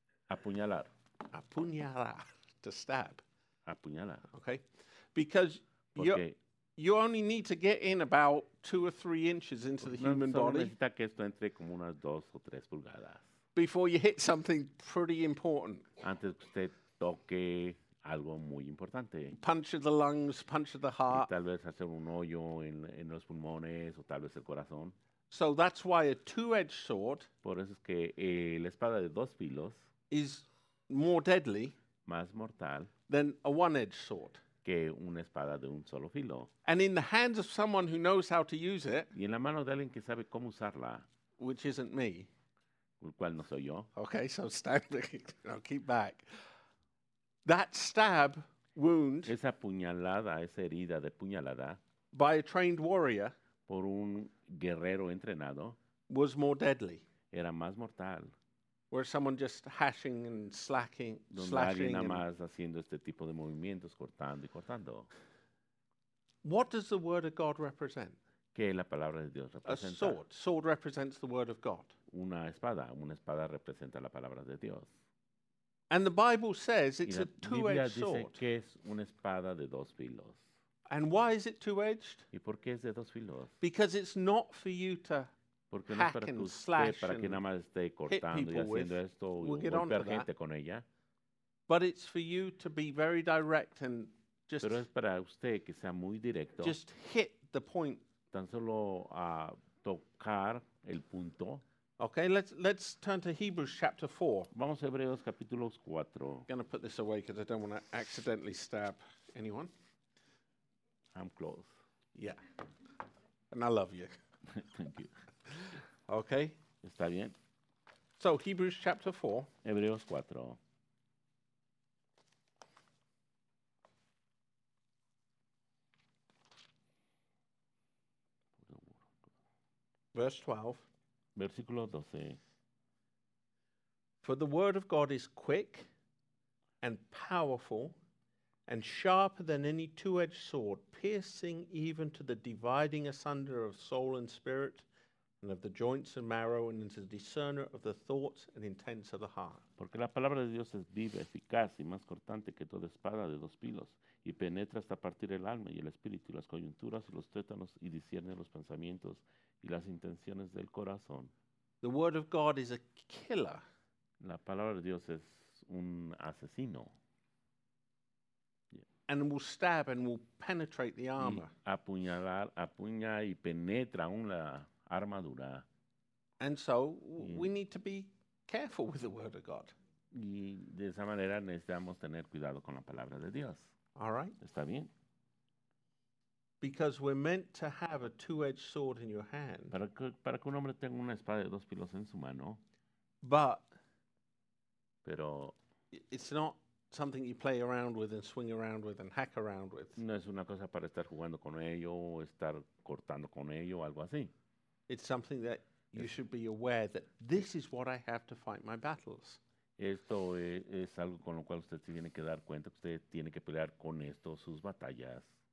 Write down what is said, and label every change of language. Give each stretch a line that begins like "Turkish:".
Spanish: Apuñalar. Apuñalar.
English: To stab.
Spanish: Apuñalar.
English: Okay. Because you only need to get in about 2 or 3 inches into the human body.
Spanish: No, solo necesita que esto entre como unas 2 o 3 pulgadas.
English: Before you hit something pretty important.
Spanish: Antes que usted toque algo muy importante.
English: Punch of the lungs, punch of the heart.
Spanish: Y tal vez hacer un hoyo en los pulmones o tal vez el corazón.
English: So that's why a two-edged sword.
Spanish: Por eso es que la espada de dos filos
English: is more deadly.
Spanish: Más mortal.
English: Than a one-edged sword.
Spanish: Que una espada de un solo filo.
English: And in the hands of someone who knows how to use it.
Spanish: Y en la mano de alguien que sabe cómo usarla.
English: Which isn't me.
Spanish: El cual no soy yo.
English: Okay, so stab. No, keep back. That stab wound.
Spanish: Esa puñalada, esa herida de puñalada.
English: By a trained warrior.
Spanish: Por un guerrero entrenado.
English: Was more deadly.
Spanish: Era más mortal.
English: Where someone just hashing and slacking,
Spanish: donde
English: slashing.
Spanish: Donde alguien más haciendo este tipo de movimientos, cortando y cortando.
English: What does the word of God represent?
Spanish: ¿Qué la palabra de Dios representa?
English: A sword. Sword represents the word of God.
Spanish: Una espada representa la palabra de Dios.
English: And the Bible says it's a two-edged sword.
Spanish: Y la Biblia dice que es una espada de dos filos.
English: And why is it two-edged?
Spanish: ¿Y por qué es de dos filos?
English: Because it's not for you to
Spanish: porque
English: hack
Spanish: no para
English: and
Spanish: que usted,
English: slash
Spanish: para que nada más esté cortando y haciendo
English: with.
Spanish: Esto
English: we'll
Spanish: y golpear gente con ella.
English: But it's for you to be very direct and just
Spanish: pero es para usted que sea muy directo.
English: Just hit the point.
Spanish: Tan solo a tocar el punto.
English: Okay, let's turn to Hebrews chapter 4.
Spanish: Vamos a Hebreos capítulo 4.
English: I'm going to put this away because I don't want to accidentally stab anyone. I'm close. Yeah. And I love you. Thank you. Okay.
Spanish: Está bien.
English: So, Hebrews chapter 4.
Spanish: Hebreos 4.
English: Verse 12.
Spanish: Versículo 12.
English: For the word of God is quick and powerful and sharper than any two-edged sword, piercing even to the dividing asunder of soul and spirit and of the joints and marrow and is a discerner of the thoughts and intents of the heart.
Spanish: Porque la palabra de Dios es viva, eficaz y más cortante que toda espada de dos filos y penetra hasta partir el alma y el espíritu y las coyunturas y los tuétanos y discierne los pensamientos y las intenciones del corazón.
English: The word of God is a killer.
Spanish: La palabra de Dios es un asesino.
English: Yeah. And will stab and will penetrate the armor.
Spanish: Y apuñalar, apuña y penetra aún la armadura.
English: And so we need to be careful with the word of God.
Spanish: Y de esa manera necesitamos tener cuidado con la palabra de Dios.
English: All right.
Spanish: Está bien.
English: Because we're meant to have a two-edged sword in your hand.
Spanish: Para que un hombre tenga una espada de dos filos en su mano.
English: But.
Spanish: Pero.
English: It's not something you play around with and swing around with and hack around with.
Spanish: No es una cosa para estar jugando con ello o estar cortando con ello o algo así.
English: It's something that you should be aware that this is what I have to fight my battles.
Spanish: Esto es algo con lo cual usted se tiene que dar cuenta que usted tiene que pelear con esto sus batallas.